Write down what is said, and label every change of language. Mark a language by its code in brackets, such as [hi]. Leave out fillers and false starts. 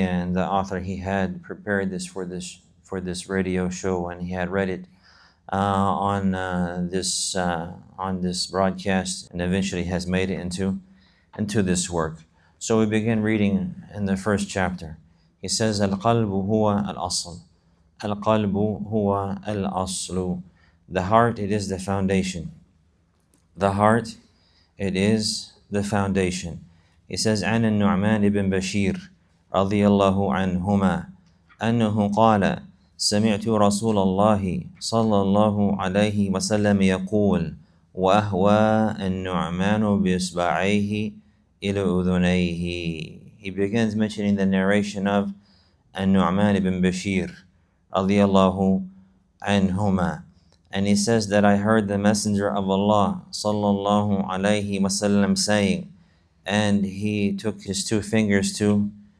[en] And the author, he had prepared this for this radio show, and he had read it on this broadcast, and eventually has made it into this work. So we begin reading in the first chapter. He says, [ar] Al-Qalbu huwa al-Asl. Al-Qalbu huwa al-Aslu. [en] The heart, it is the foundation. The heart, it is the foundation. He says, [ar] عن النعمان بن بشير رضي الله عنهما أنه قال سمعت رسول الله صلى الله عليه وسلم يقول وأهوى النعمان بإصبعيه إلى أذنيه. [en] He begins mentioning the narration of النعمان بن بشير [ar] رضي الله عنهما, [en] and he says that I heard the Messenger of Allah [ar] صلى الله عليه وسلم [en] saying, and he took his two fingers to